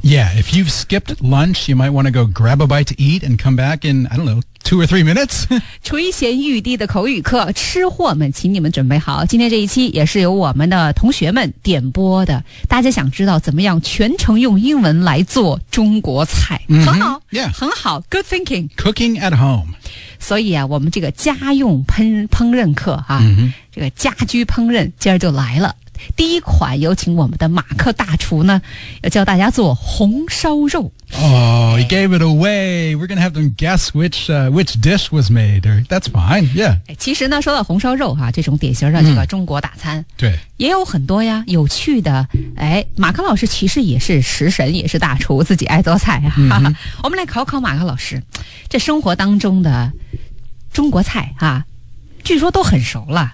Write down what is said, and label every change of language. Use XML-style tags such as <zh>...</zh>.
<en>Yeah, if you've skipped lunch, you might want to go grab a bite to eat and come back in, I don't know, 2 or 3 minutes.</en> <zh>垂涎欲滴的口语课，吃货们，请你们准备好。今天这一期也是由我们的同学们点播的。大家想知道怎么样全程用英文来做中国菜。 Mm-hmm. 很好。 Yeah. 很好。</zh> <en>Good thinking. Cooking at home.</en> <zh>所以啊，我们这个家用烹饪课啊、 mm-hmm. 这个家居烹饪今儿就来了。第一款有请我们的马克大厨呢，要教大家做红烧肉。</zh> <en>Oh, he gave it away. We're going to have them guess which dish was made. That's fine, yeah.</en> <zh>其实呢，说到红烧肉啊，这种典型的这个中国大餐，对，也有很多呀，有趣的。哎，马克老师其实也是食神，也是大厨，自己爱做菜啊。 Mm-hmm. 我们来考考马克老师，这生活当中的中国菜啊，据说都很熟了、</zh>